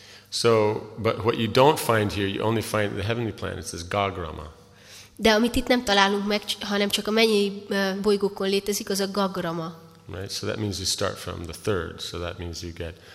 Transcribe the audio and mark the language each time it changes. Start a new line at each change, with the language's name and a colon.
English: So but what you don't find here, you only find the heavenly planets is gagrama.
Hungarian: De amit itt nem találunk meg, hanem csak a mennyei bolygókon létezik, az a gagrama.
English: Right, so that means you start from the third, so that means you get